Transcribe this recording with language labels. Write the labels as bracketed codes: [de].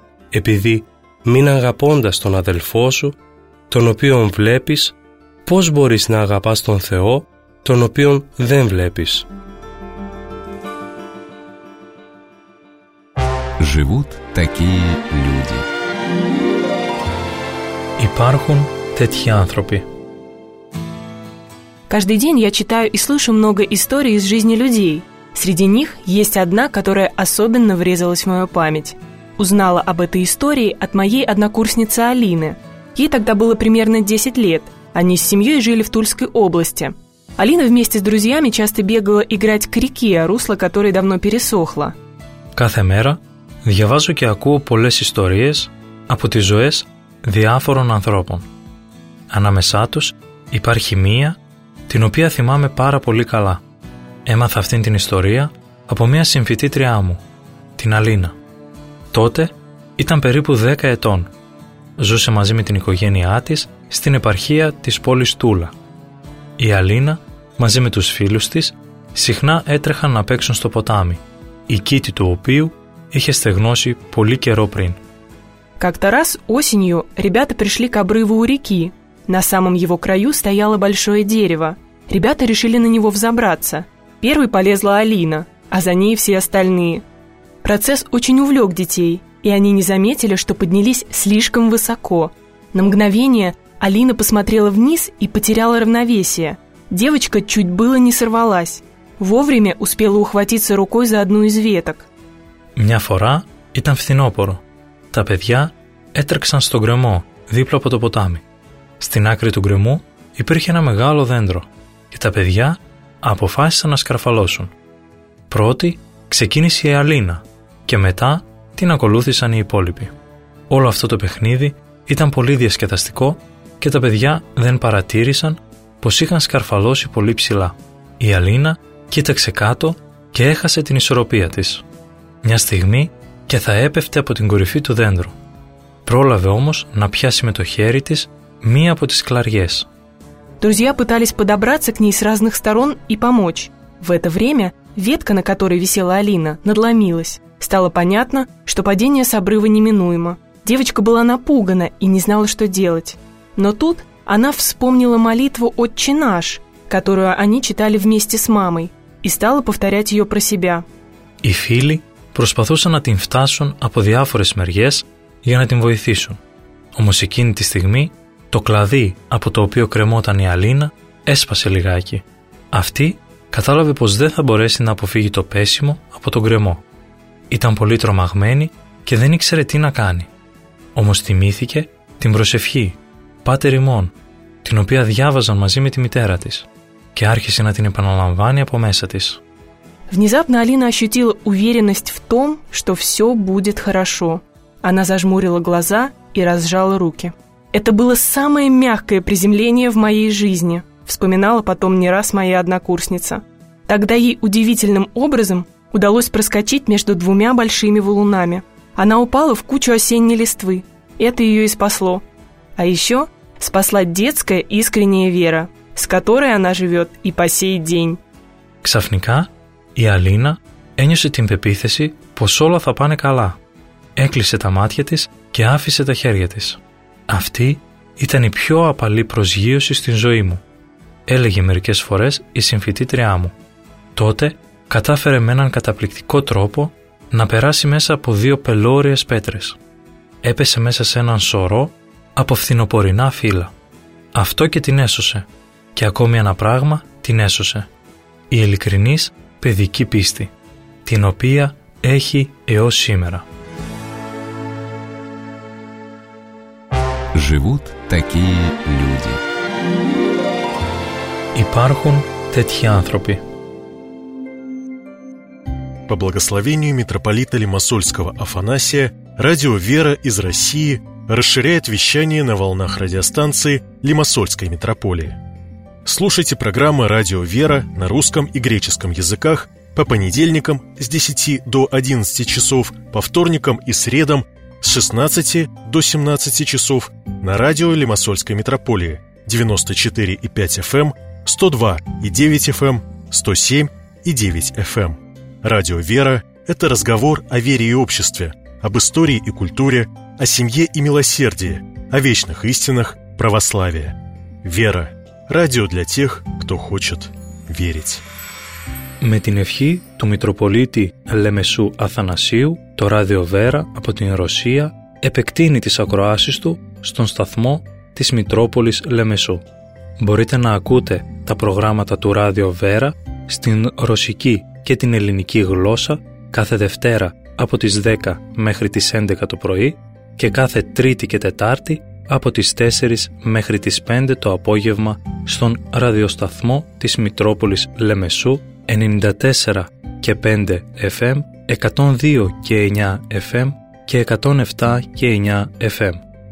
[el] Επειδή μην αγαπώντας τον αδελφό σου, τον οποίον βλέπεις, πώς μπορείς να αγαπάς τον Θεό, τον οποίον δεν βλέπεις. [ru] Живут такие люди. [el] Υπάρχουν τέτοιοι άνθρωποι. [ru] Каждый день я читаю и слышу много историй из жизни людей. Среди них есть одна, которая особенно врезалась в мою память. Узнала об этой истории от моей однокурсницы Алины. Ей тогда было примерно 10 лет. Они с семьей жили в Тульской области. Алина вместе с друзьями часто бегала играть к реке, русло которой давно пересохло. Каждый день [el] διαβάζω και ακούω πολλές ιστορίες από τις ζωές διάφορων ανθρώπων. Ανάμεσά τους υπάρχει μία την οποία θυμάμαι πάρα πολύ καλά. Έμαθα αυτήν την ιστορία από μία συμφοιτήτριά μου, την Αλίνα. Τότε ήταν περίπου 10 ετών. Ζούσε μαζί με την οικογένειά της στην επαρχία της πόλης Τούλα. Η Αλίνα μαζί με τους φίλους της συχνά έτρεχαν να παίξουν στο ποτάμι, η κήτη του οποίου είχε στεγνώσει πολύ καιρό πριν. [ru] Как-то раз осенью ребята пришли к обрыву у реки. На самом его краю стояло большое дерево. Ребята решили на него взобраться. Первой полезла Алина, а за ней все остальные. Процесс очень увлек детей, и они не заметили, что поднялись слишком высоко. На мгновение Алина посмотрела вниз и потеряла равновесие. Девочка чуть было не сорвалась. Вовремя успела ухватиться рукой за одну из веток. [el] Μια φορά ήταν φθινόπωρο. Τα παιδιά έτρεξαν στον γκρεμό δίπλα από το ποτάμι. Στην άκρη του γκρεμού υπήρχε ένα μεγάλο δέντρο και τα παιδιά αποφάσισαν να σκαρφαλώσουν. Πρώτη ξεκίνησε η Αλίνα και μετά την ακολούθησαν οι υπόλοιποι. Όλο αυτό το παιχνίδι ήταν πολύ διασκεδαστικό και τα παιδιά δεν παρατήρησαν πως είχαν σκαρφαλώσει πολύ ψηλά. Η Αλίνα κοίταξε κάτω και έχασε την ισορροπία της. Μια στιγμή και θα έπεφτε από την κορυφή του δέντρου. Πρόλαβε όμως να πιάσει με το χέρι της μία από τις κλαριές. [ru] Друзья пытались подобраться к ней с разных сторон и помочь. В это время Ветка, на которой висела Алина, надломилась. Стало понятно, что падение с обрыва неминуемо. Девочка была напугана и не знала, что делать. Но тут она вспомнила молитву «Отче наш», которую они читали вместе с мамой, и стала повторять ее про себя. [el] Οι φίλοι προσπαθούσαν να την φτάσουν από διάφορες μεριές για να την βοηθήσουν. Όμως εκείνη τη στιγμή το κλαδί από το οποίο κρεμόταν η Αλίνα έσπασε λιγάκι. Αυτή κατάλαβε πως δεν θα μπορέσει να αποφύγει το πέσιμο από τον κρεμό. Ήταν πολύ τρομαγμένη και δεν ήξερε τι να κάνει. Όμως θυμήθηκε την προσευχή «Πάτερ ημών», την οποία διάβαζαν μαζί με τη μητέρα της, και άρχισε να την επαναλαμβάνει από μέσα της. [ru] Внезапно Алина ощутила уверенность в том, что все будет хорошо. Она зажмурила глаза и разжала руки. «Это было самое мягкое приземление в моей жизни», вспоминала потом не раз моя однокурсница. Тогда ей удивительным образом удалось проскочить между двумя большими валунами. Она упала в кучу осенней листвы. Это ее и спасло. А еще спасла детская искренняя вера, с которой она живет и по сей день. [el] Ксафника? Η Αλίνα ένιωσε την πεποίθηση πως όλα θα πάνε καλά. Έκλεισε τα μάτια της και άφησε τα χέρια της. «Αυτή ήταν η πιο απαλή προσγείωση στην ζωή μου», έλεγε μερικές φορές η συμφοιτήτριά μου. Τότε κατάφερε με έναν καταπληκτικό τρόπο να περάσει μέσα από δύο πελώριες πέτρες. Έπεσε μέσα σε έναν σωρό από φθινοπορεινά φύλλα. Αυτό και την έσωσε. Και ακόμη ένα πράγμα την έσωσε. Η ειλικρινής παιδική πίστη, την οποία έχει έως σήμερα. [ru] Живут такие люди. [el] Υπάρχουν τέτοιοι άνθρωποι. [ru] По благословению митрополита Лимассольского Афанасия, радио «Вера» из России расширяет вещание на волнах радиостанции Лимассольской митрополии. Слушайте программы «Радио Вера» на русском и греческом языках по понедельникам с 10 до 11 часов, по вторникам и средам с 16 до 17 часов на радио Лимассольской митрополии 94,5 FM, 102,9 FM, 107,9 FM. «Радио Вера» – это разговор о вере и обществе, об истории и культуре, о семье и милосердии, о вечных истинах православия. «Вера». Radio для тех, кто хочет верить. [el] Με την ευχή του Μητροπολίτη Λεμεσού Αθανασίου, το Ράδιο Βέρα από την Ρωσία επεκτείνει τις ακροάσεις του στον σταθμό της Μητρόπολης Λεμεσού. Μπορείτε να ακούτε τα προγράμματα του Ράδιο Βέρα στην ρωσική και την ελληνική γλώσσα κάθε Δευτέρα από τις 10 μέχρι τις 11 το πρωί και κάθε Τρίτη και Τετάρτη από τις 4 μέχρι τις 5 το απόγευμα στον ραδιοσταθμό της Μητρόπολης Λεμεσού 94 και 5 FM, 102 και 9 FM και 107 και 9 FM.